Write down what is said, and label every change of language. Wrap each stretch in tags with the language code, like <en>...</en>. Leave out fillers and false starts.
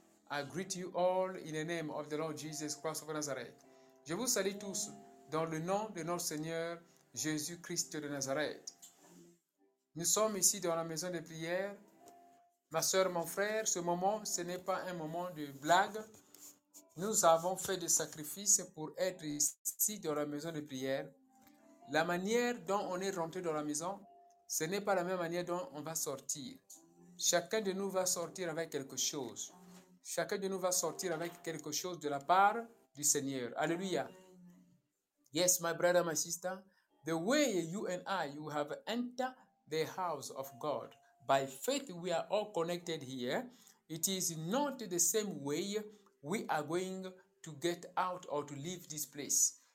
<en>I greet you all in the name of the Lord Jesus Christ of Nazareth.</en> <fr>Je vous salue tous dans le nom de notre Seigneur Jésus-Christ de Nazareth. Nous sommes ici dans la maison de prière. Ma soeur, mon frère, ce moment, ce n'est pas un moment de blague. Nous avons fait des sacrifices pour être ici dans la maison de prière. La manière dont on est rentré dans la maison, ce n'est pas la même manière dont on va sortir. Chacun de nous va sortir avec quelque chose. Chacun de nous va sortir avec quelque chose de la part du Seigneur. Alléluia.</fr> <en>Yes, my brother, my sister, the way you and I, you have entered the house of God. By faith, we are all connected here. It is not the same way we are going to get out or to leave this place.</en>